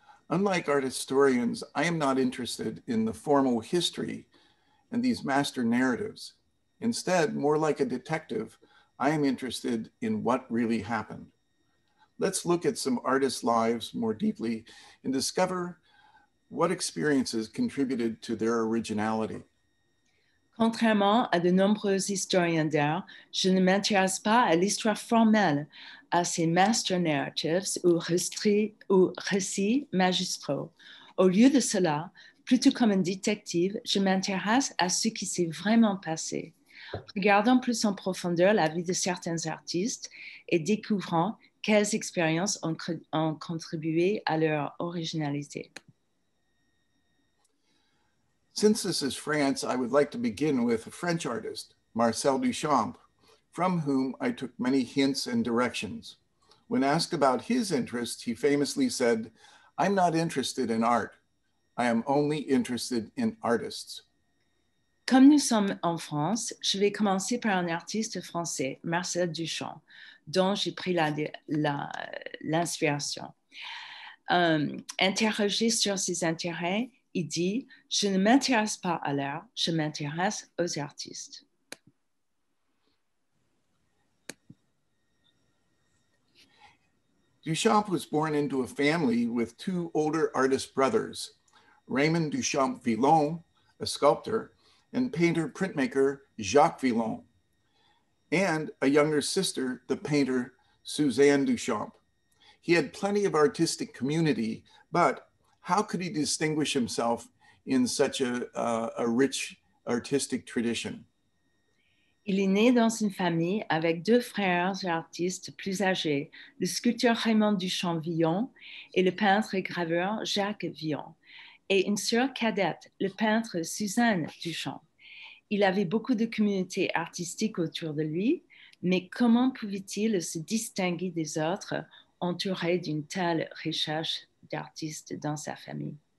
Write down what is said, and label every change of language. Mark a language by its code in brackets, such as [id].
[en] Unlike art historians, I am not interested in the formal history and these master narratives. Instead, more like a detective, I am interested in what really happened. Let's look at some artists' lives more deeply and discover what experiences contributed to their originality. [fr] Contrairement à de nombreux historiens d'art, je ne m'intéresse pas à l'histoire formelle, à ces master narratives ou récits magistraux. Au lieu de cela, plutôt comme un détective, je m'intéresse à ce qui s'est vraiment passé, regardant plus en profondeur la vie de certains artistes et découvrant quelles expériences ont contribué à leur originalité. [en] Since this is France, I would like to begin with a French artist, Marcel Duchamp, from whom I took many hints and directions. When asked about his interests, he famously said, "I'm not interested in art. I am only interested in artists." [fr] Comme nous sommes en France, je vais commencer par un artiste français, Marcel Duchamp, dont j'ai pris l'inspiration. Interrogé sur ses intérêts, il dit, je ne m'intéresse pas à l'art, je m'intéresse aux artistes. [en] Duchamp was born into a family with two older artist brothers, Raymond Duchamp Villon, a sculptor, and painter printmaker Jacques Villon, and a younger sister, the painter Suzanne Duchamp. He had plenty of artistic community, but how could he distinguish himself in such a rich artistic tradition? [fr] Il est né dans une famille avec deux frères artistes plus âgés, le sculpteur Raymond Duchamp Villon et le peintre et graveur Jacques Villon, et une sœur cadette, le peintre Suzanne Duchamp. Il avait beaucoup de communautés artistiques autour de lui, mais comment pouvait-il se distinguer des autres entouré d'une telle recherche d'artistes dans sa famille?